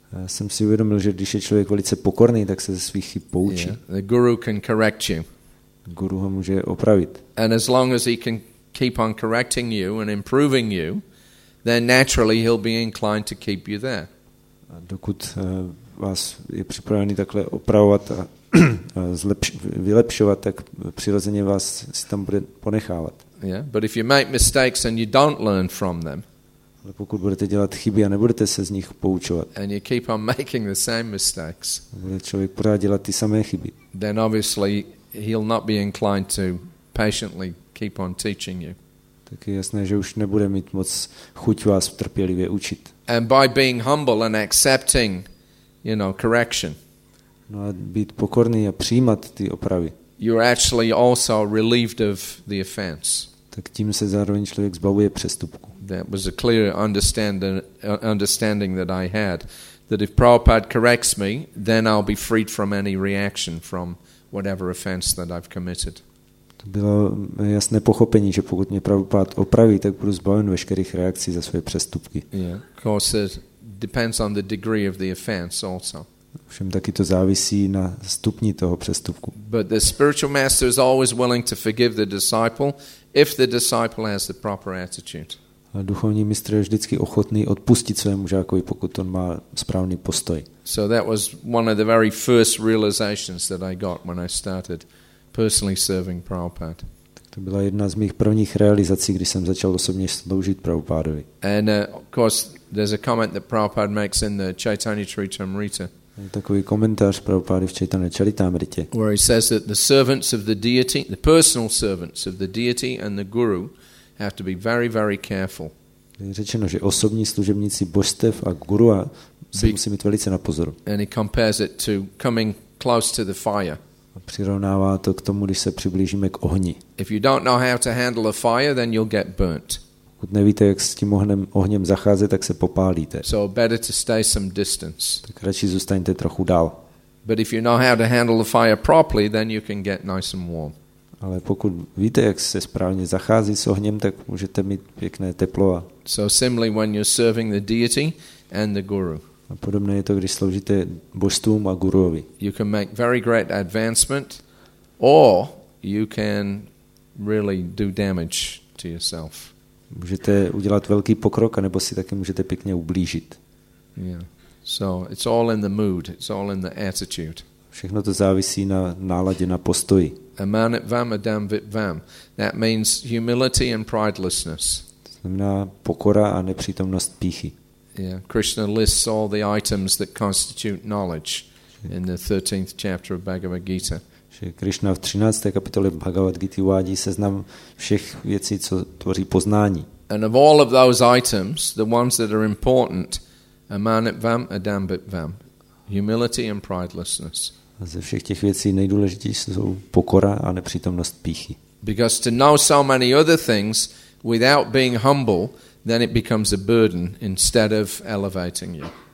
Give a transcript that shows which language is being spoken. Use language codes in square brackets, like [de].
[cs] Já jsem si uvědomil, že když je člověk velice pokorný, tak se ze svých chyb poučí. [en] Yeah, the guru can correct you. [cs] Guru ho může opravit. [en] And as long as he can keep on correcting you and improving you, then naturally he'll be inclined to keep you there. [cs] A dokud vás je připravený takhle opravovat a vylepšovat, tak přirozeně vás si tam bude ponechávat. [en] Yeah, but if you make mistakes and you don't learn from them. [cs] Ale pokud budete dělat chyby a nebudete se z nich poučovat. [en] And you keep on making the same mistakes. [cs] Bude člověk pořád dělat ty samé chyby. [en] Then obviously he'll not be inclined to patiently keep on teaching you. [cs] Tak je jasné, že už nebude mít moc chuť vás trpělivě učit. [en] And by being humble and accepting, you know, correction. [cs] No a být pokorný a přijímat ty opravy. [en] You're actually also relieved of the offense. [cs] Tak tím se zároveň člověk zbavuje přestupku. [en] That was a clear understanding that I had. that if Prabhupada corrects me, then I'll be freed from any reaction from whatever offense that I've committed. [cs] To bylo jasné pochopení, že pokud mě Prabhupada opraví, tak budu zbaven veškerých reakcí za své přestupky. [en] Yeah, of course it depends on the degree of the offense also. [cs] Všem taky to závisí na stupni toho přestupku. [en] But the spiritual master is always willing to forgive the disciple if the disciple has the proper attitude. [cs] A duchovní mistr je vždycky ochotný odpustit svému žákovi, pokud on má správný postoj. [en] So that was one of the very first realizations that I got when I started personally serving Prabhupada. [cs] Tak to byla jedna z mých prvních realizací, když jsem začal osobně sloužit Prabhupádovi. [en] And of course there's a comment that Prabhupada makes in the Chaitanya Charitamrita. [cs] Takový komentář Prabhupády v Chaitanya Charitamrite. [en] Where he says that the servants of the deity, the personal servants of the deity and the guru have to be very, very careful. [cs] Je řečeno, že osobní služebníci božstev a guru se musí mít velice na pozoru. [en] And he compares it to coming close to the fire. [cs] A přirovnává to k tomu, když se přiblížíme k ohni. [en] If you don't know how to handle a fire, then you'll get burnt. [cs] Pokud nevíte, jak s tím ohněm zacházet, tak se popálíte. [en] So better to stay some distance. [cs] Tak radši zůstaňte trochu dál. [en] But if you know how to handle the fire properly, then you can get nice and warm. [cs] Ale pokud víte, jak se správně zachází s ohněm, tak můžete mít pěkné teplo. [en] So similarly when you're serving the deity and the guru. [cs] A podobné je to, když sloužíte božstvům a guruovi. [en] You can make very great advancement or you can really do damage to yourself. [cs] Můžete udělat velký pokrok, anebo si taky můžete pěkně ublížit. [en] Yeah. So it's all in the mood, it's all in the attitude. [cs] Všechno to závisí na náladě, na postoji. [sa] Amanitvam adamvitvam. [en] That means humility and pridelessness. [cs] To znamená pokora a nepřítomnost pýchy. [en] Yeah. Krishna lists all the items that constitute knowledge in the 13th chapter of Bhagavad Gita. [cs] Že Krishna v 13. kapitole Bhagavad Gita uvádí seznam všech věcí, co tvoří poznání. [en] And of all of those items, the ones that are important, [sa] amanitvam, adambitvam, [en] humility and pridelessness. [cs] A ze všech těch věcí nejdůležitější jsou pokora a nepřítomnost pýchy. [en] Because to know so many other things without being humble, then it becomes a burden instead of elevating you.